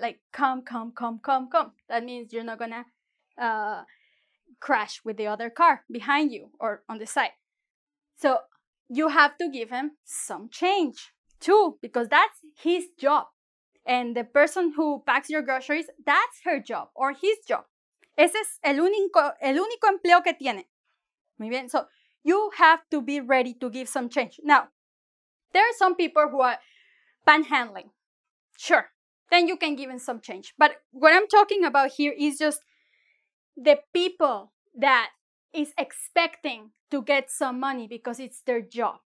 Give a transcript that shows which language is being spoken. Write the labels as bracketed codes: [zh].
[en] Like come, come, come, come, come. That means you're not gonna crash with the other car behind you or on the side. So you have to give him some change too, because that's his job. And the person who packs your groceries, that's her job or his job. [es] Ese es el único empleo que tiene. Muy bien. [en] So you have to be ready to give some change. Now, there are some people who are panhandling. Sure. Then you can give him some change. But what I'm talking about here is just the people that is expecting to get some money because it's their job.